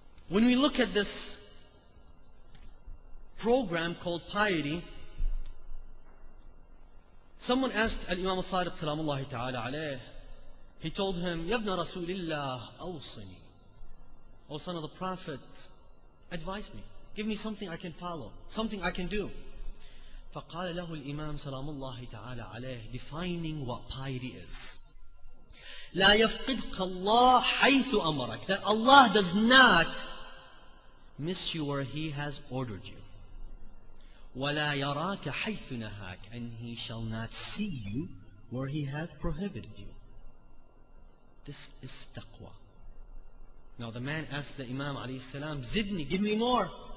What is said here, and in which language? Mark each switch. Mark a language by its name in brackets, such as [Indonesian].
[English] When we look at this program called piety, someone asked al-Imam al-Sadiq salamullahi ta'ala alayh, he told him, [Arabic] يَبْنَ رَسُولِ اللَّهِ أَوْصِنِي, [English] O son of the Prophet, advise me. Give me something I can follow. Something I can do. [Arabic] فَقَالَ لَهُ الْإِمَامُ سَلَامُ اللَّهِ تَعَالَى عَلَيْهِ, [English] defining what piety is. [Arabic] لَا يَفْقِدْكَ اللَّهُ حَيْثُ أَمَرَكَ, [English] that Allah does not miss you where He has ordered you. [Arabic] وَلَا يَرَاكَ حَيْثُ نَهَاكَ, [English] and He shall not see you where He has prohibited you. This is taqwa. Now the man asked the Imam alayhi salam, zidni, give me more.